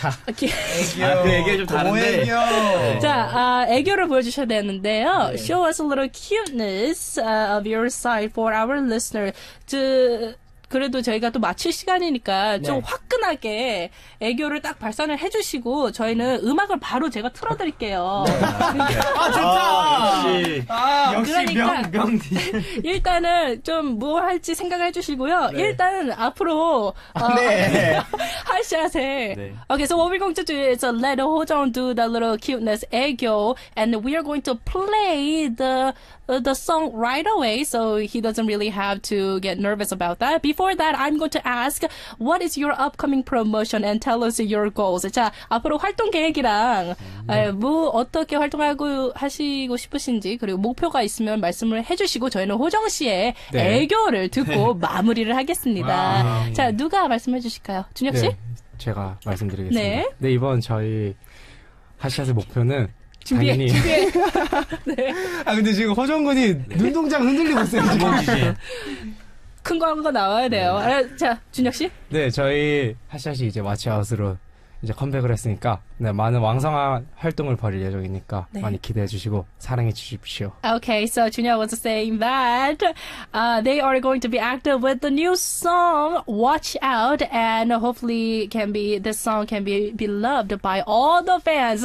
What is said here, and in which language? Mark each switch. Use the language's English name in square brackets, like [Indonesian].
[Korean] 애교. 아, 그 애교 좀 다른데. 애교. 자, 애교를 보여주셔야 되는데요. 네. [English] Show us a little cuteness of your side for our listener. [Korean] 그래도 저희가 또 마칠 시간이니까 네. 좀 화끈하게 애교를 딱 발산을 해주시고 저희는 음악을 바로 제가 틀어드릴게요. 아 좋다. 역시. 아, 역시 그러니까 명디. 일단은 좀 뭐 할지 생각을 해주시고요. 네. 일단 앞으로 하샷에. 네. [English] Okay, so what we're going to do is let Hojong do the little cuteness 애교, and we are going to play the song right away, so he doesn't really have to get nervous about that. Before that, I'm going to ask, what is your upcoming promotion and tell us your goals? [Korean] 자, 앞으로 활동 계획이랑 뭐 어떻게 활동하고 하시고 싶으신지 그리고 목표가 있으면 말씀을 해주시고 저희는 호정 씨의 네. 애교를 듣고 마무리를 하겠습니다. 와. 자, 누가 말씀해 주실까요, 준혁 씨? 네, 제가 말씀드리겠습니다. 네. 네, 이번 저희 하샷의 목표는. 준비해, 당연히. 준비해. 네. 아, 근데 지금 허정군이 눈동자가 흔들리고 있어요, 지금. 큰 거 한 거 나와야 돼요. 네. 아, 자, 준혁씨. 네, 저희 하샷이 이제 마치아웃으로 이제 컴백을 했으니까, 네, 많은 왕성한 활동을 벌일 예정이니까, 네. 많이 기대해 주시고, 사랑해 주십시오. [English] Okay, so Junya was saying that, they are going to be active with the new song, Watch Out, and hopefully can be, this song can be beloved by all the fans.